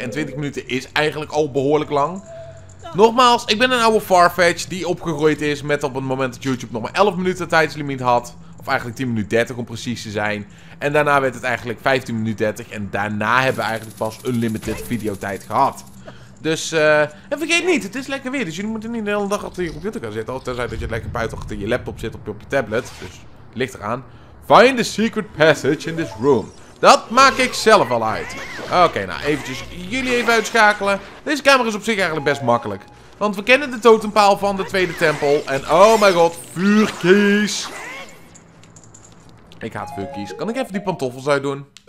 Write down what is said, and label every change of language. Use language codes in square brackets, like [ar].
[nl] En 20 minuten is eigenlijk al behoorlijk lang. Nogmaals, ik ben een oude Farfetch die opgegroeid is met op het moment dat YouTube nog maar 11 minuten tijdslimiet had. Of eigenlijk 10 minuten 30 om precies te zijn. En daarna werd het eigenlijk 15 minuten 30. En daarna hebben we eigenlijk pas unlimited videotijd gehad. Dus, en vergeet niet, het is lekker weer. Dus jullie moeten niet de hele dag achter je computer gaan zitten. Tenzij dat je lekker buiten achter je laptop zit op je tablet. Dus, ligt eraan. [en] Find the secret passage in this room. [nl] Dat maak ik zelf al uit. Oké, nou, eventjes jullie even uitschakelen. Deze kamer is op zich eigenlijk best makkelijk. Want we kennen de totempaal van de tweede tempel. En, oh mijn god, vuurkies. Ik haat vuurkies. Kan ik even die pantoffels uitdoen?